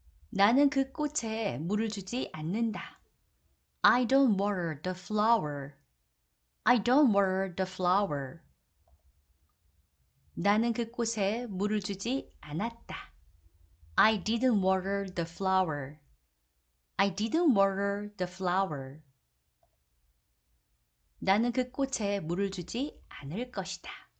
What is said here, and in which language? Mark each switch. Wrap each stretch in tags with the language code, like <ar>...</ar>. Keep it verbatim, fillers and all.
<ko>나는 그 꽃에 물을 주지 않는다.</ko> <en>I don't water the flower. I don't water the flower.</en> <ko>나는 그 꽃에 물을 주지 않았다.</ko> <en>I didn't water the flower. I didn't water the flower.</en> <ko>나는 그 꽃에 물을 주지 않을 것이다.</ko>